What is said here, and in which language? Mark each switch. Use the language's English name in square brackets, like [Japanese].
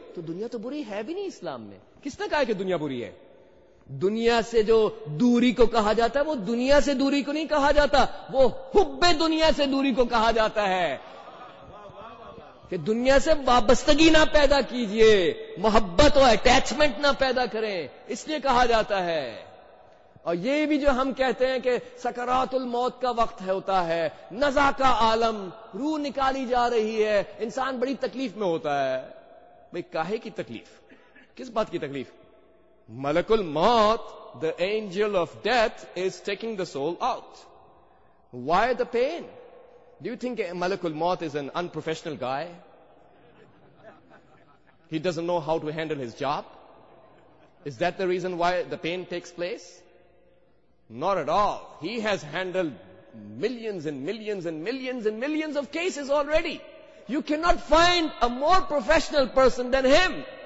[Urdu] تو دنیا تو بری ہے بھی نہیں اسلام میں, کس نے کہا کہ دنیا بری ہے. دنیا سے جو دوری کو کہا جاتا ہے وہ دنیا سے دوری کو نہیں کہا جاتا, وہ حب دنیا سے دوری کو کہا جاتا ہے کہ دنیا سے وابستگی نہ پیدا کیجئے, محبت اور اٹیچمنٹ نہ پیدا کریں, اس لیے کہا جاتا ہے. اور یہ بھی جو ہم کہتے ہیں کہ سکرات الموت کا وقت ہوتا ہے, نزا کا عالم, روح نکالی جا رہی ہے, انسان بڑی تکلیف میں ہوتا ہے. بھئی کاہے کی تکلیف, کس بات کی تکلیف؟ [English] ملک الموت, the angel of death is taking the soul out, why the pain? Do you think Malik al-Maut is an unprofessional guy? He doesn't know how to handle his job? Is that the reason why the pain takes place? Not at all. He has handled millions and millions and millions and millions of cases already. You cannot find a more professional person than him.